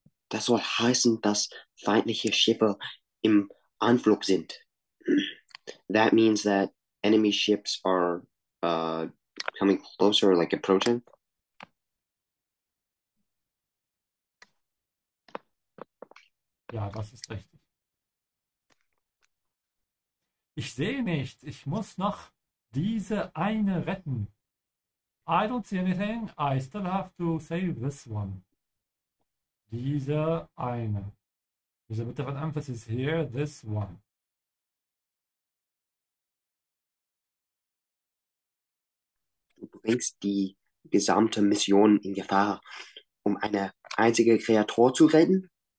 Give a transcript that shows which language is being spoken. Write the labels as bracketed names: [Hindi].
[German] Das soll heißen, dass feindliche Schiffe im Anflug sind. [English] That means that enemy ships are coming closer, like approaching. [German] Ja, das ist richtig. Ich sehe nichts. Ich muss noch diese eine retten. [English] I don't see anything. I still have to save this one. [German] Diese eine. [English] There's a bit of an emphasis here, this one. [German] Du bringst die gesamte Mission in Gefahr, um eine einzige Kreatur zu retten.